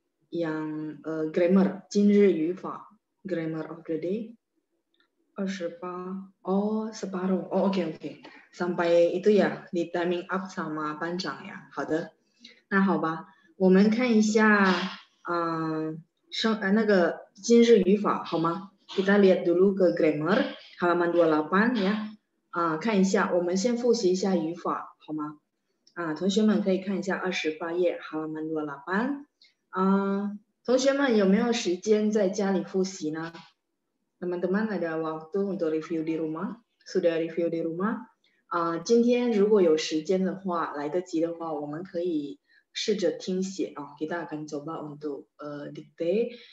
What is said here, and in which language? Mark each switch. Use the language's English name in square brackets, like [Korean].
[Chinese] yang grammar 今日语法 [English] grammar of the day [Chinese] 28哦 separuh 哦 OK OK [Indonesian] sampai itu ya di timing up sama [Chinese] 班长呀好的那好吧我们看一下那个今日语法好吗 [Indonesian] kita lihat dulu ke grammar halaman 28 ya [Chinese] 看一下我们先复习一下语法好吗同学们可以看一下 28页 [Indonesian] halaman 28. [Chinese] 同学们有没有时间在家里复习呢? [Indonesian] Teman-teman ada waktu untuk review di rumah? Sudah review di rumah? [Chinese] 今天如果有时间的话, 来得及的话, 我们可以试着听写, [Indonesian] kita akan coba untuk dikte.